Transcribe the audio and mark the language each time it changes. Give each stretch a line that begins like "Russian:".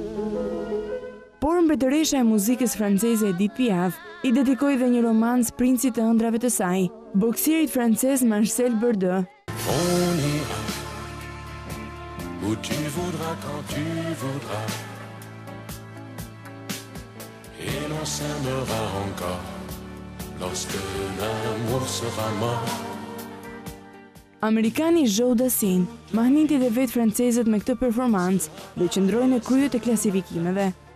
Albanian: Mbretëresha e muzikës franceze Edith Piaf i dedikoi dhe një romans princit të ëndrave të saj, boksirit francez Marcel Bordeu.
French: On ira où tu voudras quand tu voudras et l'on s'aimera encore lorsque l'amour sera mort.
Albanian: Amerikani Joe Dassin mahniti dhe vetë francezët me këtë performancë dhe qëndroi në kryet e klasifikimeve.